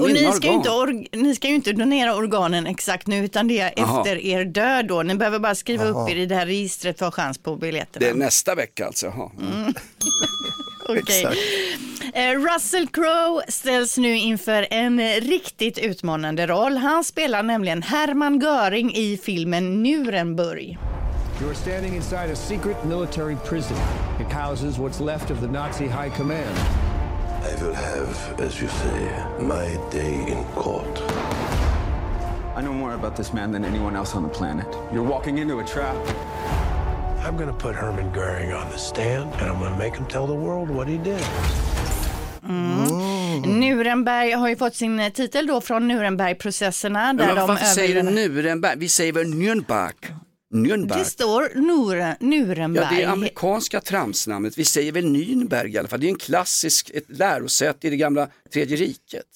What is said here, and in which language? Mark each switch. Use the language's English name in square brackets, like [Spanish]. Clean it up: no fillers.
[Swedish] och ni ska ju inte donera organen exakt nu, utan det är efter er död då. Ni behöver bara skriva upp er i det här registret för att ha chans på biljetterna. Det är nästa vecka alltså. Okay. Russell Crowe ställs nu inför en riktigt utmanande roll. Han spelar nämligen Hermann Göring i filmen Nuremberg. [English] You are standing inside a secret military prison. It houses what's left of the Nazi high command. I will have, as you say, my day in court. I know more about this man than anyone else on the planet. You're walking into a trap. I'm gonna put Hermann Göring on the stand, and I'm gonna make him tell the world what he did. [Swedish] Nuremberg har ju fått sin titel då från Nuremberg-processerna. Där men varför säger du Nuremberg? Vi säger väl Nürnberg? Nürnberg. Det står Nuremberg. Ja, det är amerikanska tramsnamnet. Vi säger väl Nürnberg i alla fall. Det är en klassisk lärosätt i det gamla tredje riket.